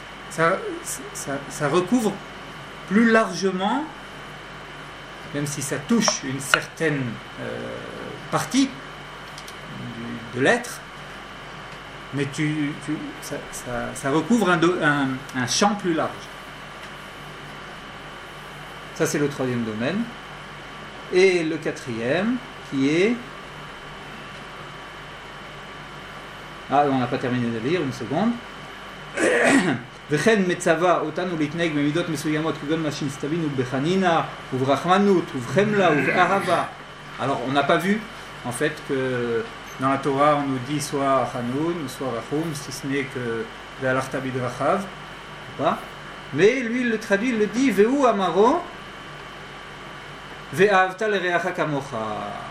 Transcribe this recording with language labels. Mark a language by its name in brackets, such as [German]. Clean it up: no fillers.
[French] Ça recouvre plus largement, même si ça touche une certaine partie de l'être, mais ça recouvre un champ plus large. Ça, c'est le troisième domaine. Et le quatrième, qui est... Ah, on n'a pas terminé de lire, une seconde. [Hebrew] וכן מצווה אותנו להתנהג במידות מסוימות כגון מה שנסתבינו בחנינה וברחמנות ובחמלה ובאהבה. [French] Alors on n'a pas vu en fait que dans la Torah on nous dit soit Hanoun ou soit Rachum, si ce n'est que [Hebrew] Ve'alachta bidrachav, [French] pas. Mais lui il le traduit, il le dit [Hebrew] Ve'u amaro Ve'ahavta le'reacha kamocha.